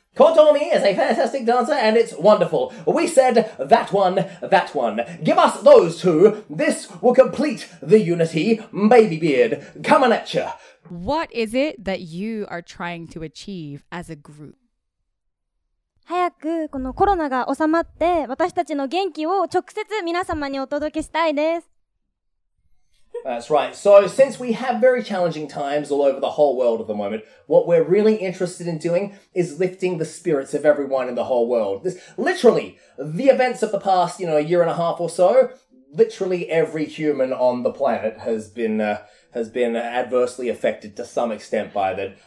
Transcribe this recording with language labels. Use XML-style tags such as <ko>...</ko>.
<en>Kotomi is a fantastic dancer and it's wonderful. We said that one, that one. Give us those two. This will complete the unity. Baby Beard, coming at ya. What is it that you are trying to achieve as a group?</en> <ja>早くこのコロナが収まって私たちの元気を直接皆様にお届けしたいです。</ja> <en>That's right. So since we have very challenging times all over the whole world at the moment, what we're really interested in doing is lifting the spirits of everyone in the whole world. This, literally, the events of the past, you know, a year and a half or so, literally every human on the planet has been adversely affected to some extent by that.</en>